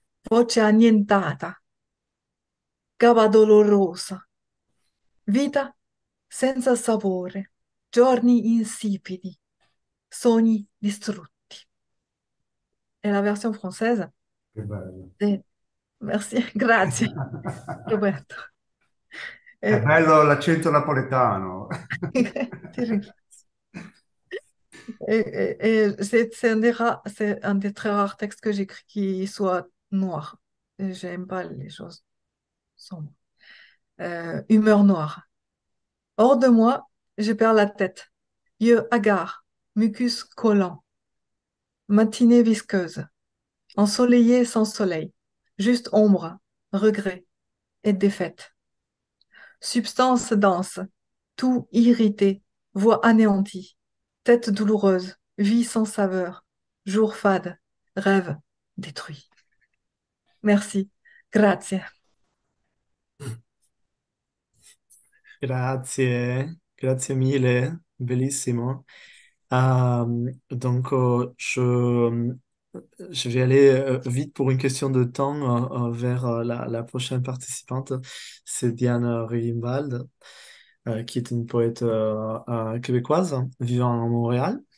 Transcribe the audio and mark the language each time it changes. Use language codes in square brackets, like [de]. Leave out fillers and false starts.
[it] Voce annientata, gaba dolorosa, vita senza sapore, giorni insipidi, sogni distrutti. E la versione francese? Che bello. Sì. Merci, grazie, Roberto. È bello l'accento napoletano. [fr] C'est un des très rares textes que j'écris qui soit noir. J'aime pas les choses sombres. Humeur noire. Hors de moi, je perds la tête. Yeux hagards, mucus collant. Matinée visqueuse. Ensoleillée sans soleil. Juste ombre, regret et défaite. Substance dense, toux irritée, voix anéantie. Tête douloureuse, vie sans saveur, jour fade, rêve détruit. Merci. [it] Grazie. Grazie, grazie mille, bellissimo. [fr] Je vais aller vite pour une question de temps vers la prochaine participante, c'est Diane Rivimbald, qui est une poète québécoise vivant à Montréal.